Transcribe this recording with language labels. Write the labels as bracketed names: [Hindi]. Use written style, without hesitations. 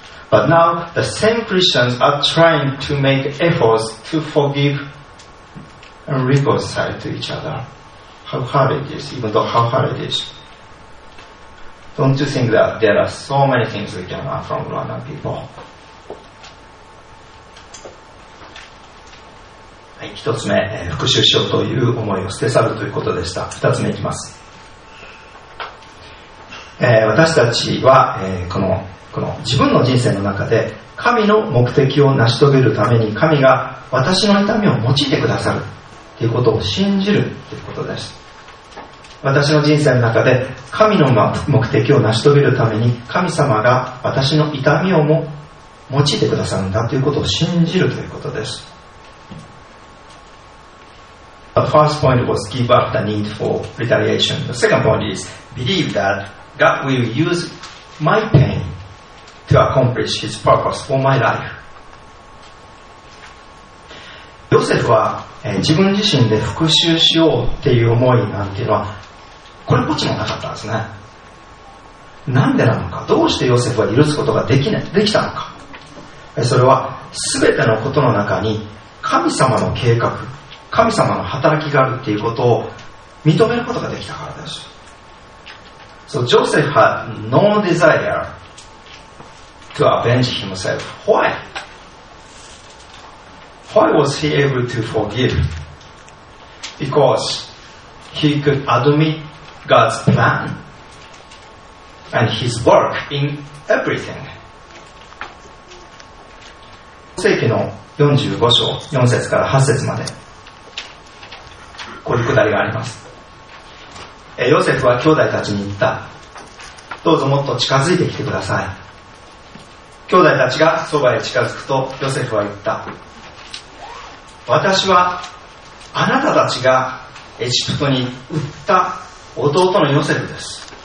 [English] But now, the same Christians are trying to make efforts to forgive and reconcile to each other. How hard it is, even though how hard it is. Don't you think that there are so many things we can learn from Rwandan people? [Japanese] 1つ目、復讐しようという思いを捨て去るということでした。2つ目いきます。私たちは、この自分の人生の中で神の目的を成し遂げるために、神が私の痛みを用いてくださるということを信じるということです。私の人生の中で神の目的を成し遂げるために、神様が私の痛みをも用いてくださるんだということを信じるということです。 [English] The first point was give up the need for retaliation. The second point is believe that God will use my pain to accomplish His purpose for my life. [Japanese] ヨセフは、自分自身で復讐しようっていう思いなんていうのはこれっぽっちもなかったんですね。なんでなのか、どうしてヨセフは許すことが できたのか、それは全てのことの中に神様の計画、神様の働きがあるっていうことを認めることができたからです。 [English] So Joseph had no desire to avenge himself. Why? Why was he able to forgive? Because he could admit God's plan and his work in everything. [Japanese] 創世記の45章4節から8節までこういうくだりがあります。ヨセフは兄弟たちに言った。どうぞもっと近づいてきてください。兄弟たちがそばへ近づくとヨセフは言った。私はあなたたちがエジプトに売った弟のヨセフです。